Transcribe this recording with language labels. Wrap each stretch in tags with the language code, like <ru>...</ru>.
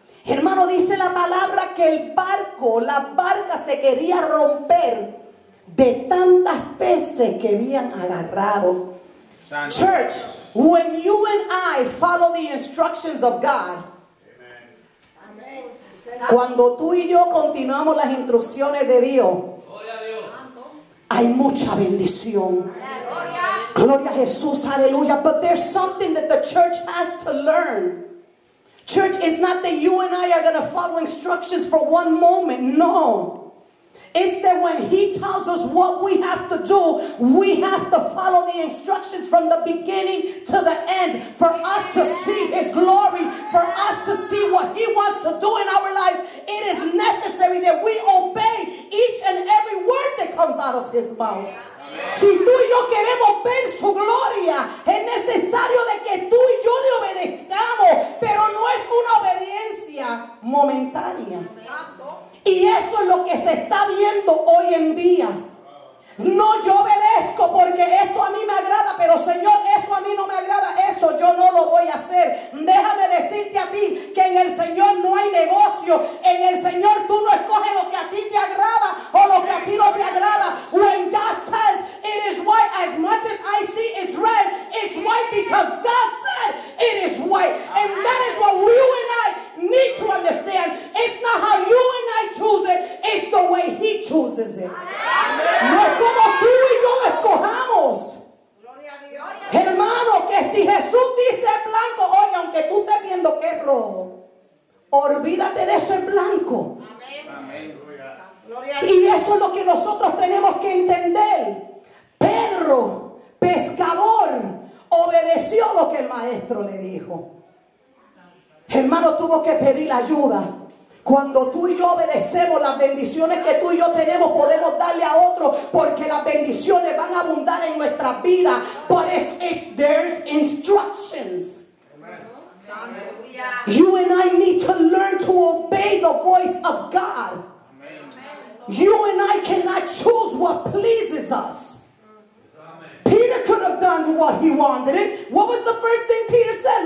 <es>Hermano, dice la palabra que el barco, la barca se quería romper de tantas peces que habían agarrado.</es> <en>Church, when you and I follow the instructions of God, amen.</en> <es>Cuando tú y yo continuamos las instrucciones de Dios, hay mucha bendición. Gloria a Jesús, aleluya.</es> <en>But there's something that the church has to learn. Church, it's not that you and I are going to follow instructions for one moment. No. It's that when he tells us what we have to do, we have to follow the instructions from the beginning to the end for us to see his glory, for us to see what he wants to do in our lives. It is necessary that we obey each and every word that comes out of his mouth.</en> <es>Si tú y yo queremos ver su gloria, es necesario de que tú y yo le obedezcamos, pero no es una obediencia momentánea. Y eso es lo que se está viendo hoy en día. No, yo obedezco porque esto a mí me agrada, pero Señor, eso a mí no me agrada, eso yo no lo voy a hacer. Déjame decirte a ti que en el Señor no hay negocio. En el Señor tú no escoges lo que a ti te agrada o lo que a ti no te agrada.</es> <en>When God says it is white, as much as I see it's red, it's white because God said it is white. And that is what you and I need to understand. It's not how you and I choose it, it's the way He chooses it.</en> <es>No es como tú y yo lo escojamos. Gloria a Dios. Hermano, que si Jesús dice blanco, oye, aunque tú estés viendo que es rojo, olvídate de eso, es blanco. Amén. Y eso es lo que nosotros tenemos que entender. Pedro, pescador, obedeció lo que el maestro le dijo. Hermano, tuvo que pedir ayuda. Cuando tú y yo obedecemos, las bendiciones que tú y yo tenemos podemos darle a otros, porque las bendiciones van a abundar en nuestras vidas.</es> <en>But it's there's instructions. Amen. You and I need to learn to obey the voice of God. Amen. You and I cannot choose what pleases us. Peter could have done what he wanted. What was the first thing Peter said?</en>